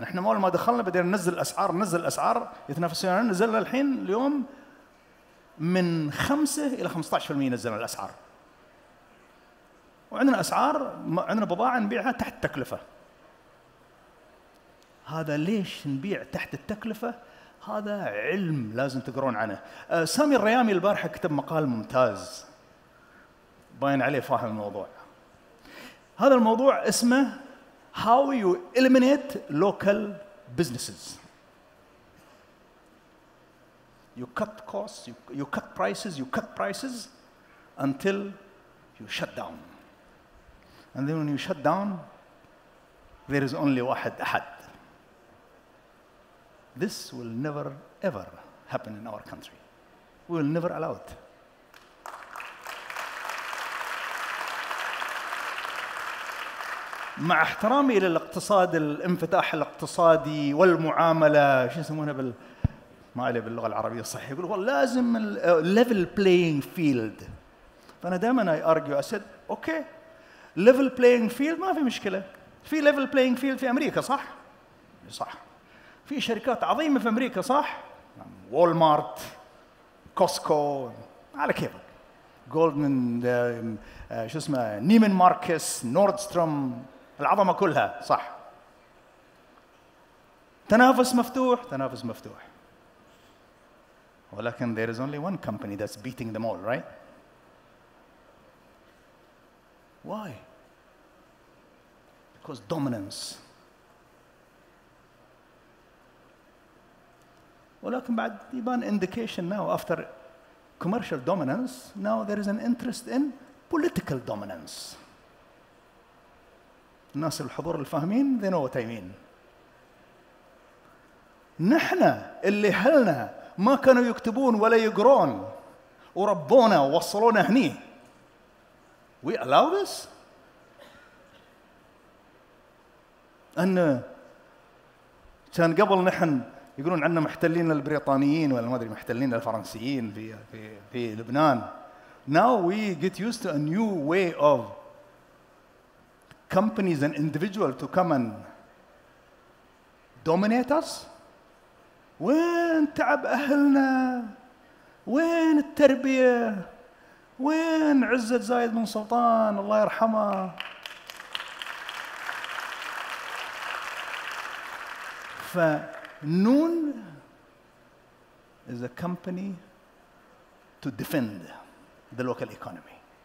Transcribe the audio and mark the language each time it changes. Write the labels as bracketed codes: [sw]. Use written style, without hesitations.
[ar] نحن أول ما دخلنا بدينا ننزل الأسعار, ننزل الأسعار يتنافسون, نزلنا الحين اليوم من 5 إلى 15% نزلنا الأسعار, وعندنا أسعار, عندنا بضاعة نبيعها تحت التكلفة. هذا ليش نبيع تحت التكلفة؟ هذا علم لازم تقرون عنه. سامي الريامي البارحة كتب مقال ممتاز باين عليه فاهم الموضوع. هذا الموضوع اسمه [en] How you eliminate local businesses. You cut costs, you cut prices, you cut prices until you shut down. And then when you shut down, there is only [ar] واحد أحد. [en] This will never ever happen in our country. We will never allow it. [ar] مع احترامي للاقتصاد الانفتاح الاقتصادي والمعاملة شو يسمونها بال ما علي باللغة العربية الصحيحة, يقول والله لازم [en] level playing field. [ar] فأنا دائما [en] I argue, I said okay level playing field [ar] ما في مشكلة. في [en] level playing field [ar] في أمريكا صح؟ صح. في شركات عظيمة في أمريكا صح؟ Walmart, Costco, على كيفك, Goldman, شو اسمه Neiman Marcus, Nordstrom, العظمة كلها صح. تنافس مفتوح, تنافس مفتوح, ولكن [en] there is only one company that's beating them all, right? Why? Because dominance. [ar] ولكن بعد يبان [en] indication now after commercial dominance, now there is an interest in political dominance. [ar] الناس الحضور الفاهمين [en] they know what I mean. [ar] نحن اللي هلنا ما كانوا يكتبون ولا يقرون وربونا ووصلونا هني, [en] we allow this. [ar] أن كان قبل نحن يقولون عنا محتلين البريطانيين ولا ما أدري محتلين الفرنسيين في في في لبنان. [en] Now we get used to a new way of companies and individuals to come and dominate us. [ar] وين تعب أهلنا؟ وين التربية؟ وين عزة زايد بن سلطان الله يرحمه؟ فنون [en] is a company to defend the local economy.